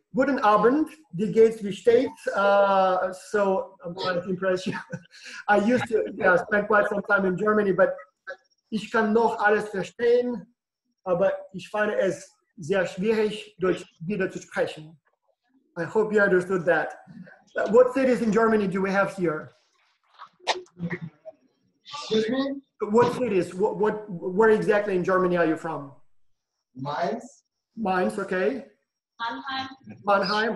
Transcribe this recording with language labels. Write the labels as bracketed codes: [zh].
[de] Guten Abend, die geht's wie steht's. [en] So I'm trying to impress you. I used to spend quite some time in Germany, but [de] ich kann noch alles verstehen. Aber ich fand es sehr schwierig, Deutsch wieder zu sprechen. [en] I hope you understood that. What cities in Germany do we have here? Excuse me? What cities? Where exactly in Germany are you from? Mainz. Mainz, okay. Mannheim.